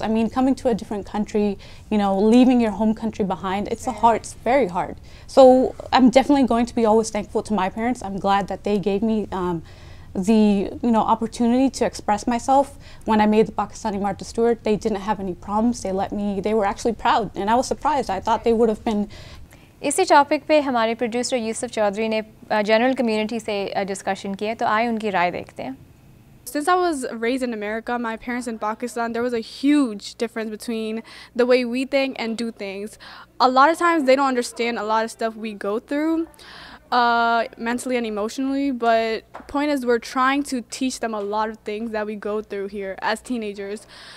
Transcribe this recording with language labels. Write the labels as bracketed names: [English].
[English] I mean, coming to a different country, you know, leaving your home country behind, it's a hard, it's very hard. So I'm definitely going to be always thankful to my parents. I'm glad that they gave me the, you know, opportunity to express myself. When I made the Pakistani Martha Stewart, they didn't have any problems. They let me, they were actually proud, and I was surprised. I thought they would have been. [Hindi] इसी topic पे हमारे producer Yusuf Chaudhary ने general community से discussion किया तो आए उनकी राय देखते हैं. [English] Since I was raised in America, my parents in Pakistan, there was a huge difference between the way we think and do things. A lot of times they don't understand a lot of stuff we go through mentally and emotionally, but point is we're trying to teach them a lot of things that we go through here as teenagers.